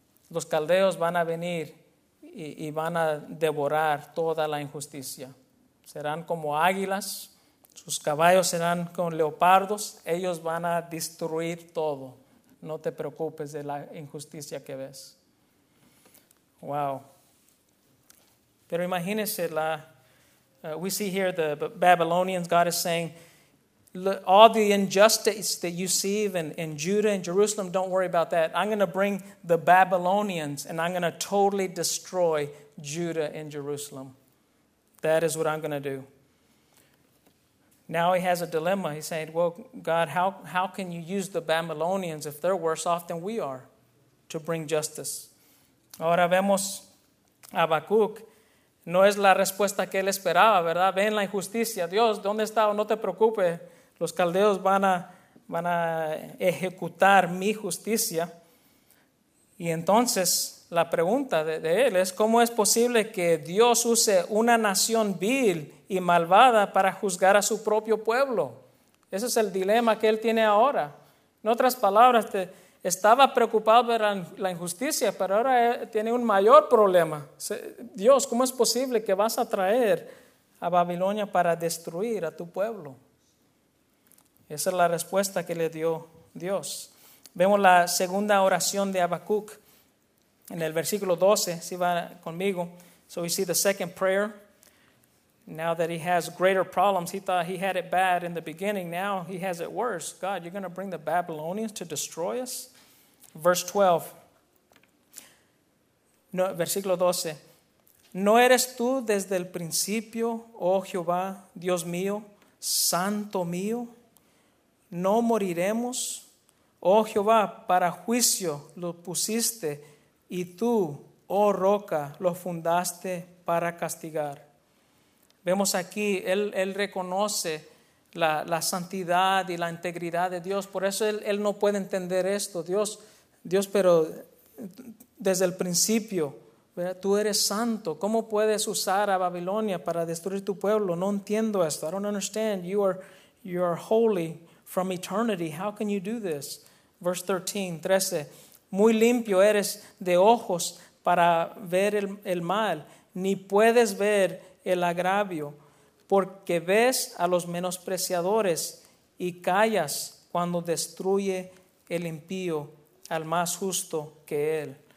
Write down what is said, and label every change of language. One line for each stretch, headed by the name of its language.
Spanish: Los caldeos van a venir y van a devorar toda la injusticia. Serán como águilas. Sus caballos serán con leopardos, ellos van a destruir todo. No te preocupes de la injusticia que ves. Wow. Pero imagínese
English: we see here the Babylonians, God is saying, all the injustice that you see in Judah and Jerusalem, don't worry about that. I'm going to bring the Babylonians and I'm going to totally destroy Judah and Jerusalem. That is what I'm going to do. Now he has a dilemma. He's saying, well, God, how can you use the Babylonians if they're worse off than we are to bring justice?
Spanish: Ahora vemos a Habacuc. No es la respuesta que él esperaba, ¿verdad? Ven la injusticia. Dios, ¿dónde está? No te preocupes. Los caldeos van a ejecutar mi justicia. Y entonces la pregunta de él es, ¿cómo es posible que Dios use una nación vil y malvada para juzgar a su propio pueblo? Ese es el dilema que él tiene ahora. En otras palabras, estaba preocupado por la injusticia, pero ahora tiene un mayor problema. Dios, ¿cómo es posible que vas a traer a Babilonia para destruir a tu pueblo? Esa es la respuesta que le dio Dios. Vemos la segunda oración de Habacuc en el versículo 12, si va conmigo.
English: So we see the second prayer. Now that he has greater problems, he thought he had it bad in the beginning. Now he has it worse. God, you're going to bring the Babylonians to destroy us? Verse 12.
Spanish: No, versículo 12. ¿No eres tú desde el principio, oh Jehová, Dios mío, santo mío? ¿No moriremos? Oh Jehová, para juicio lo pusiste, y tú, oh roca, lo fundaste para castigar. Vemos aquí, él reconoce la santidad y la integridad de Dios. Por eso él no puede entender esto. Dios, pero desde el principio, ¿verdad? Tú eres santo. ¿Cómo puedes usar a Babilonia para destruir tu pueblo? No entiendo esto.
English: I don't understand. You are holy from eternity. How can you do this? Verse 13.
Spanish: Muy limpio eres de ojos para ver el mal, ni puedes ver el agravio, porque ves a los menospreciadores y callas cuando destruye el impío al más justo que él.